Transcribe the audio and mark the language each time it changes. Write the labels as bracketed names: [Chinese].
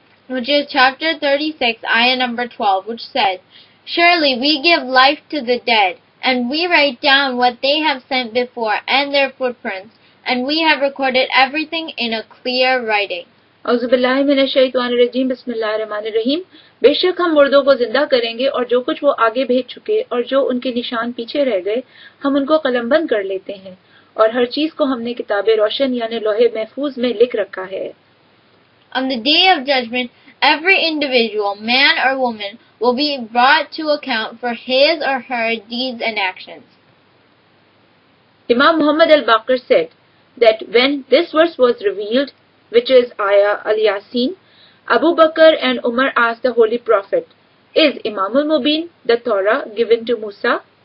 [English] which is chapter 36, ayah number 12, which says, "Surely we give life to the dead, and we write down what they have sent before and their footprints, and we have recorded everything in a clear writing." [Arabic] اعوذ باللہ من الشیطان الرجیم, بسم اللہ الرحمن الرحیم. [Urdu] بے شک ہم مردوں کو زندہ کریں گے, اور جو کچھ وہ آگے بھیج چکے اور جو ان کے نشان پیچھے رہ گئے ہم ان کو قلم بند کر لیتے ہیں, اور ہر چیز کو ہم نے کتاب روشن یعنی لوح محفوظ میں لکھ رکھا ہے. [English] On the day of judgment, every individual, man or woman, will be brought to account for his or her deeds and actions. Imam Muhammad al-Baqir said that when this verse was revealed, which is Ayah al-Yasin, Abu Bakr and Umar asked the Holy Prophet, "Is Imam al-Mubin, the Torah, given to Musa?"